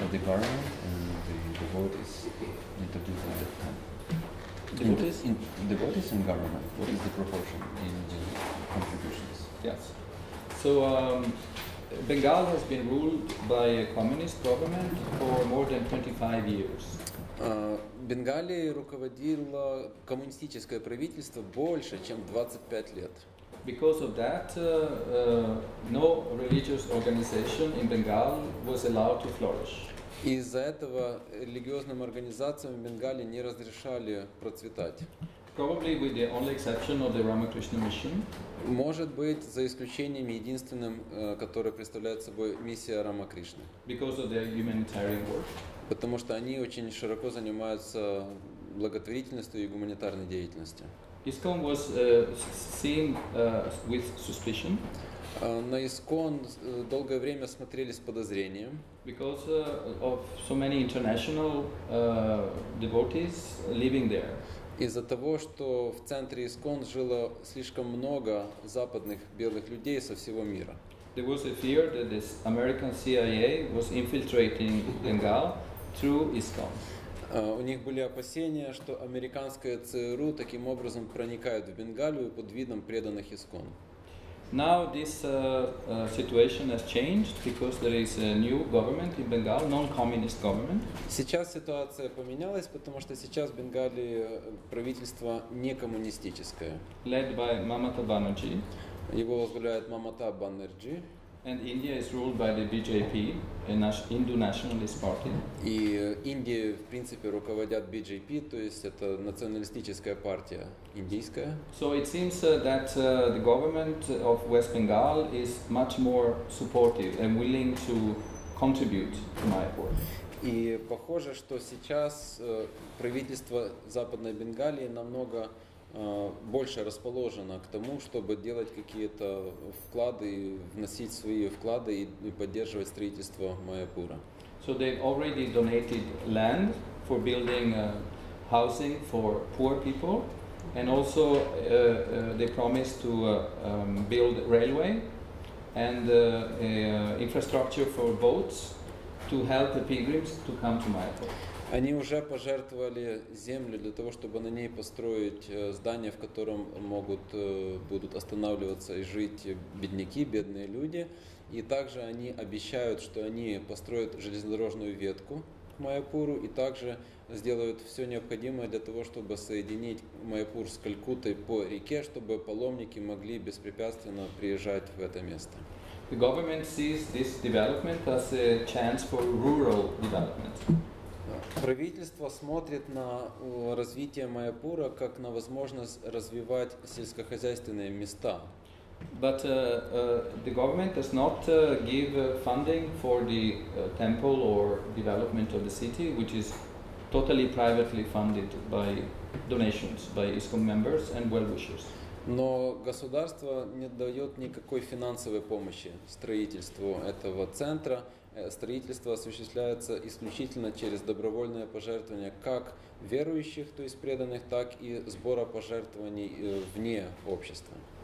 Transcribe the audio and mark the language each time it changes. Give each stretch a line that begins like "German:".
English: of the government and the devotees introduced at that time. Devotees? The devotees and government, what is the proportion in the contributions? Yes. So, Bengal has been ruled by a communist government for more than 25 years.
Russian: Бенгалией руководило коммунистическое правительство больше, чем 25 лет.
English: Because of that, no religious organization in Bengal was allowed to flourish.
Russian: Из-за этого религиозным организациям в Бенгале не разрешали процветать.
English: Probably with the only exception of the Ramakrishna Mission.
Russian: Может быть, за исключением единственным, который представляет собой миссия Рамакришны.
English: Because of their humanitarian work.
Russian: Потому что они очень широко занимаются благотворительностью и гуманитарной деятельностью.
English: ISKCON was seen with suspicion.
Russian: На ISKCON долгое время смотрели с подозрением.
English: Because of so many international devotees living there.
Russian: Из-за того, что в центре ISKCON жило слишком много западных белых людей со всего мира.
English: There was a fear that this American CIA was infiltrating Bengal through ISKCON.
Russian: У них были опасения, что американское ЦРУ таким образом проникает в Бенгалию под видом преданных ИСКОН.
English: Now this situation has changed because there is a new government in Bengal, non-communist government.
Russian: Сейчас ситуация поменялась, потому что сейчас в Бенгалии правительство не коммунистическое.
English: Led by Mamata Banerjee.
Russian: Его возглавляет Мамата Банерджи.
English: And India is ruled by the BJP, a Hindu nationalist party.
Russian: И Индии, в принципе, руководят BJP, то есть это националистическая партия индийская.
English: So it seems that the government of West Bengal is much more supportive and willing to contribute to Mayapur.
Russian: И похоже, что сейчас правительство Западной Бенгалии намного больше расположена к тому, чтобы делать какие-то вклады, вносить свои вклады и поддерживать строительство Майяпура.
English: So they already donated land for building housing for poor people, and also they promised to build railway and infrastructure for boats to help the pilgrims to come to Майяпур.
Russian: Они уже пожертвовали землю для того, чтобы на ней построить здание, в котором могут будут останавливаться и жить бедняки, бедные люди. И также они обещают, что они построят железнодорожную ветку к Майяпуру и также сделают все необходимое для того, чтобы соединить Майяпур с Калькуттой по реке, чтобы паломники могли беспрепятственно приезжать в это место.
English: The government sees this development as a chance for rural development.
Russian: Правительство смотрит на развитие Майяпура как на возможность развивать сельскохозяйственные места.
English: But the government does not give funding for the temple or development of the city, which is totally privately funded by donations by ISKCON members and well-wishers.
Russian: Но государство не дает никакой финансовой помощи строительству этого центра. Строительство осуществляется исключительно через добровольное пожертвование как верующих, то есть преданных, так и сбора пожертвований вне общества.